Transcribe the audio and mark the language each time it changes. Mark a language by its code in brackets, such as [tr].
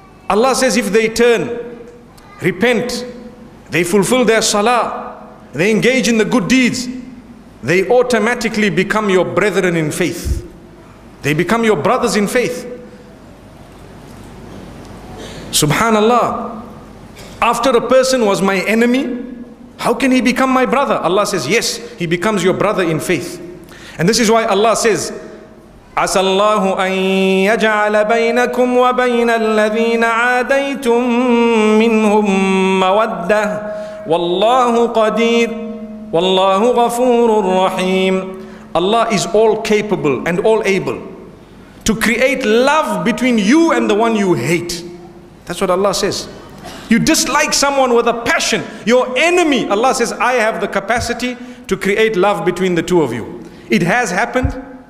[en] Allah says if they turn, repent, they fulfill their salah, they engage in the good deeds, they automatically become your brethren in faith. They become your brothers in faith. Subhanallah. After a person was my enemy, how can he become my brother? Allah says, yes, he becomes your brother in faith. And this is why Allah says, [ar] عَسَى اللَّهُ أَن يَجْعَلَ بَيْنَكُمْ وَبَيْنَ الَّذِينَ عَادَيْتُمْ مِنْهُمْ مَوَدَّةً وَاللَّهُ قَدِيرٌ وَاللَّهُ غَفُورٌ رَّحِيمٌ. [en] Allah is all capable and all able to create love between you and the one you hate. That's what Allah says. You dislike someone with a passion, your enemy. Allah says, I have the capacity to create love between the two of you. It has happened.